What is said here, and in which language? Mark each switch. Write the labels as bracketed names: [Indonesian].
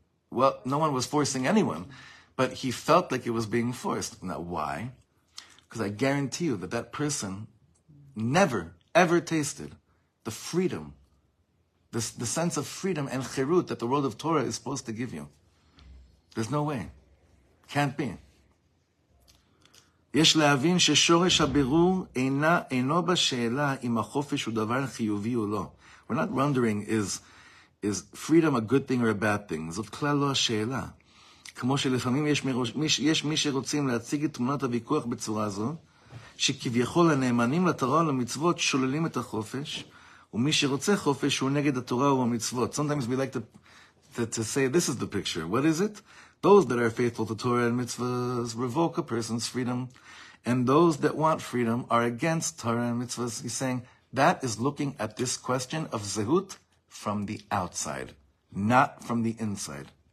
[English] Well, no one was forcing anyone, but he felt like it was being forced. Now, why? Because I guarantee you that person never, ever tasted the freedom, the sense of freedom and chirut that the world of Torah is supposed to give you. There's no way. Can't be. [Hebrew] יש להבין ששורש הבירור אינו בשאלה אם החופש הוא דבר חיובי או לא. [English] We're not wondering, is freedom a good thing or a bad thing? [Hebrew] זאת כלל לא השאלה. כמו שלפעמים יש מי שרוצים להציג את תמונת הוויכוח בצורה זו, שכביכול הנאמנים לתורה ולמצוות שוללים את החופש, ומי שרוצה חופש הוא נגד התורה והמצוות. [English] Sometimes we like to say, this is the picture. What is it? Those that are faithful to Torah and mitzvahs revoke a person's freedom, and those that want freedom are against Torah and mitzvahs. He's saying, that is looking at this question of zehut from the outside, not from the inside.